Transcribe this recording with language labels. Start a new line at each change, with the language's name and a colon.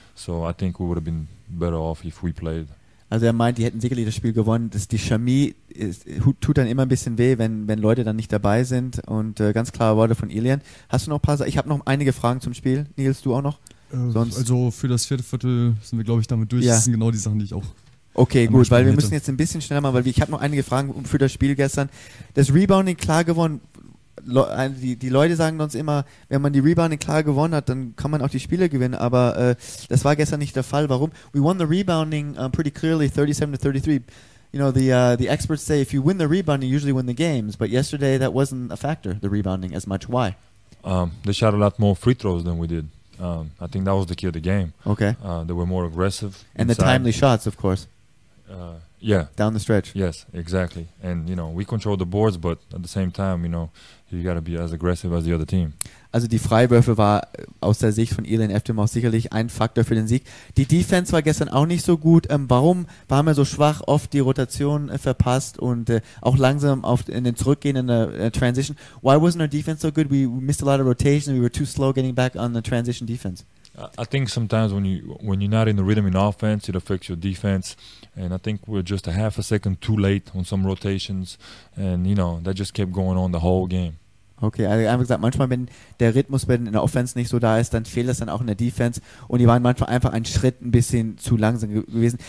English: So I think we would have been better off if we played.
German: Also er meint, die hätten sicherlich das Spiel gewonnen. Das, die Chemie tut dann immer ein bisschen weh, wenn Leute dann nicht dabei sind. Und ganz klare Worte von Ilian. Hast du noch ein paar? Ich habe noch einige Fragen zum Spiel. Nils, du auch noch? Sonst? Also für das vierte Viertel sind wir, glaube ich, damit durch. Ja. Das sind genau die Sachen, die ich auch... Okay, gut, weil wir müssen jetzt ein bisschen schneller machen, weil ich habe noch einige Fragen für das Spiel gestern. Das Rebounding klar gewonnen... Die Leute sagen uns immer, wenn man die Rebounding klar gewonnen hat, dann kann man auch die Spiele gewinnen, aber das war gestern nicht der Fall. Warum?
English: We won the rebounding pretty clearly, 37-33. You know, the experts say if you win the rebounding, you usually win the games, but yesterday that wasn't a factor, the rebounding, as much. Why? They shot a lot more free throws than we did. I think that was the key of the game. Okay. They were more aggressive. And inside. The timely shots, of course. Yeah. Down the stretch. Yes, exactly. And, you know, we control the boards, but at the same time, you know, you gotta be as aggressive as the other team.
German: Also die Freiwürfe war aus der Sicht von Ilian Eftimov sicherlich ein Faktor für den Sieg. Die Defense war gestern auch nicht so gut. Warum waren wir so schwach, oft die Rotation verpasst und auch langsam in den zurückgehenden Transition?
English: Why wasn't our defense so good? We missed a lot of rotation. We were too slow getting back on the transition defense. I think sometimes when you're not in the rhythm in offense, it affects your defense. And I think we're just a half a second too late on some rotations. And, you know, that just kept going on the whole game.
German: Okay, also einfach gesagt, manchmal, wenn der Rhythmus in der Offense nicht so da ist, dann fehlt das dann auch in der Defense. Und die waren manchmal einfach einen Schritt ein bisschen zu langsam gewesen.